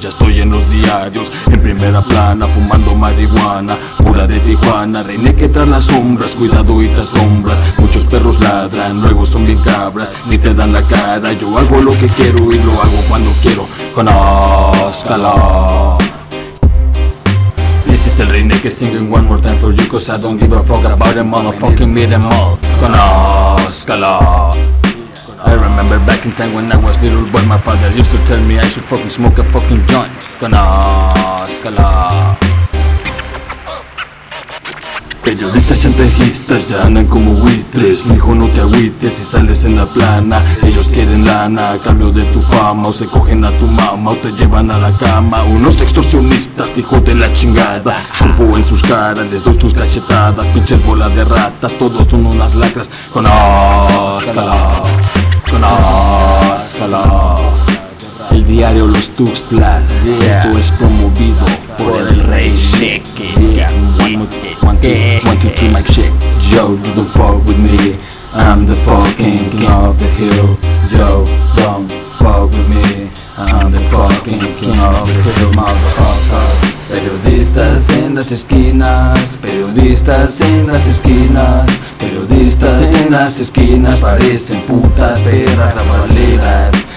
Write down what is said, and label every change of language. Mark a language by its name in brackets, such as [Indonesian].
[Spanish] Ya estoy en los diarios, en primera plana, fumando marihuana, pura de Tijuana. Reinecke tras las sombras, cuidado y tras sombras, muchos perros ladran, luego son bien cabras, ni te dan la cara. Yo hago lo que quiero y lo hago cuando quiero, con Oscala. [English] This is el Reinecke singing one more time for you, cause I don't give a fuck about a motherfucking meet them all, [Spanish] con Oscala. [English] I remember back in time when I was little boy, my father used to tell me I should fucking smoke a fucking joint. [Spanish] Conózcalo. Periodistas chantajistas ya andan como buitres, mijo no te agüites si sales en la plana. Ellos quieren lana a cambio de tu fama, o se cogen a tu mama o te llevan a la cama. Unos extorsionistas, hijos de la chingada, chupo en sus caras, les doy tus cachetadas. Pinches bolas de ratas, todos son unas lacras. Conózcalo. Conózcalo. El diario Los Tuxtla, yeah. Esto es promovido por el rey Reinecke. [English] One, two, three, mic check. Yo, you don't fuck with me, I'm the fucking king of the hill. Yo, don't fuck with me, I'm the fucking king of the hill, motherfucker. [Spanish] Periodistas en las esquinas, periodistas en las esquinas, periodistas en las esquinas, parecen putas perras cabaleras.